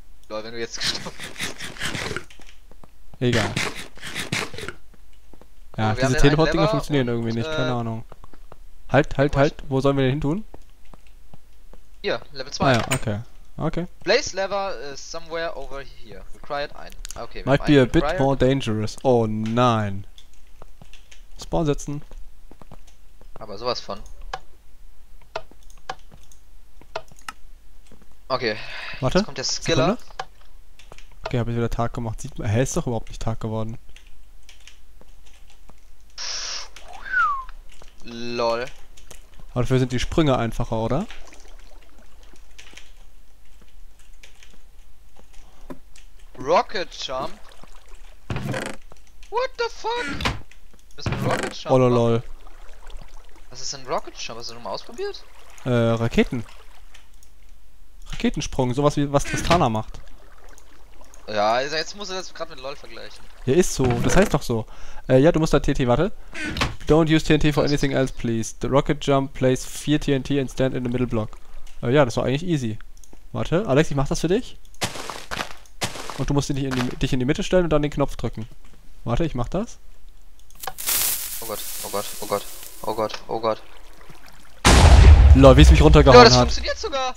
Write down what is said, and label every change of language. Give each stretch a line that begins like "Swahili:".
German: Lol, wenn du jetzt gestorben bist. Egal. Ja, oh, diese Teleport-Dinger funktionieren und, irgendwie nicht, keine Ahnung. Halt, wo sollen wir denn hin tun? Hier, Level 2. Ah ja, okay.
English: Place lever is somewhere over here. Required 1. Okay, might be a bit more dangerous.
German: Oh nein. Spawn setzen. Aber sowas von. Okay. Warte. Jetzt kommt der Skiller. Sekunde. Okay, hab ich wieder Tag gemacht. Sieht man, hä, ist doch überhaupt nicht Tag geworden. Lol. Aber dafür sind die Sprünge einfacher, oder?
English: Rocket Jump? What the fuck?
German: Das ist ein Rocket Jump. Oh lol. Was ist denn Rocket Jump? Hast du nochmal ausprobiert? Raketen. Raketensprung, sowas wie was Tristana macht. Ja, also jetzt musst du das gerade mit LOL vergleichen. Ja, ist so, das heißt doch so. Ja, du musst da TNT, warte.
English: Don't use TNT for anything else, please. The Rocket Jump plays 4 TNT and stand in the middle block.
German: Ja, das war eigentlich easy. Warte, Alex, ich mach das für dich. Und du musst dich in die Mitte stellen und dann den Knopf drücken. Warte, ich mach das. Oh Gott, oh Gott, oh Gott. Oh Gott, oh Gott. Lol, wie es mich runtergehauen hat. Ja, das funktioniert sogar.